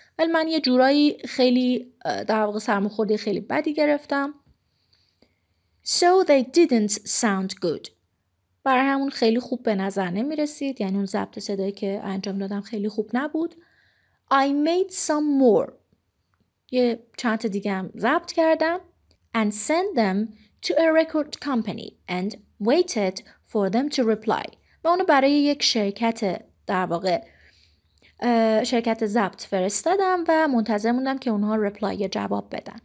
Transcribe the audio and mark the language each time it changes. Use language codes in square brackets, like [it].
[fa] ولی من یه جورایی خیلی در واقع سرماخوردگی خیلی بدی گرفتم. [en] So they didn't sound good. [fa] برای همون خیلی خوب به نظر نمی رسید. یعنی اون ضبط صدایی که انجام دادم خیلی خوب نبود. [en] I made some more. [fa] یه چند تا دیگه هم ضبط کردم. [en] And sent them to a record company and waited for them to reply. [fa] و اونو برای یک شرکت در واقع شرکت ضبط فرستادم و منتظر موندم که اونها رپلای جواب بدن.